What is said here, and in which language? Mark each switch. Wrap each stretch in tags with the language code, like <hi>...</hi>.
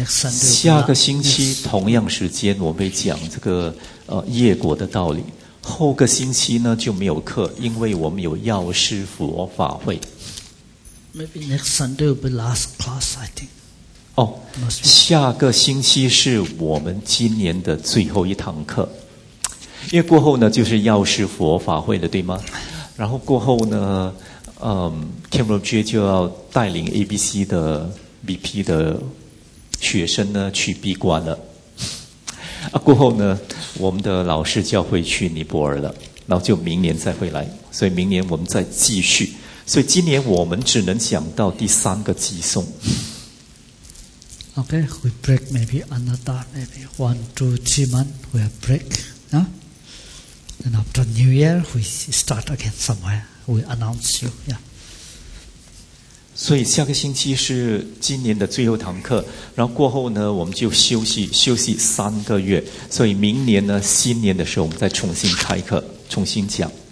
<zh>下个星期同样时间，我会讲这个业果的道理。后个星期呢就没有课，因为我们有药师佛法会。</zh> <en>Maybe next Sunday will be last class, I think.</en> <zh>下个星期是我们今年的最后一堂课。因为过后呢就是药师佛法会了，对吗？然后过后呢Cameron J 就要带领 ABC 的 BP 的学生呢去闭关了，过后呢我们的老师就会去尼泊尔了，然后就明年再回来，所以明年我们再继续，所以今年我们只能讲到第三个寄送。</zh> <en>Okay, we break maybe another maybe 1-2 months we'll break, huh? And after New Year, we start again somewhere. We announce you, yeah.</en> <zh>所以下个星期是今年的最后堂课，然后过后呢我们就休息三个月，所以明年呢新年的时候我们再重新开课重新讲。</zh>